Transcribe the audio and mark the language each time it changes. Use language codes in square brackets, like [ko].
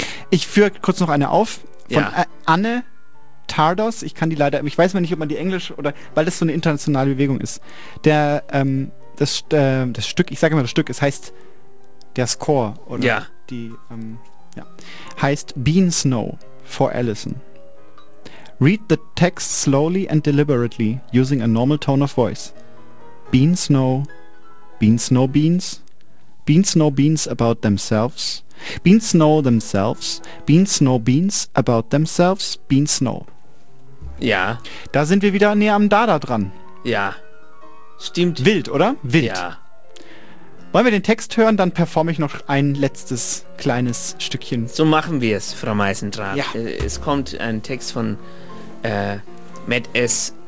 [de] Ich führe kurz noch eine auf von Anne Tardos. Ich weiß mal nicht, ob man die Englisch oder weil das so eine internationale Bewegung ist. Das Stück, ich sage mal das Stück, es heißt der Score oder heißt Bean Snow for Allison. [en] Read the text slowly and deliberately using a normal tone of voice. Bean Snow, Bean Snow Beans, Bean Snow Beans about themselves. Beans know themselves. Beans know beans about themselves. Beans know. [de] Ja. Da sind wir wieder näher am Dada dran. Ja. Stimmt. Wild, oder? Wild. Ja. Wollen wir den Text hören, dann performe ich noch ein letztes kleines Stückchen. So machen wir es, Frau Meisendrath. Ja. Es kommt ein Text von Matt S.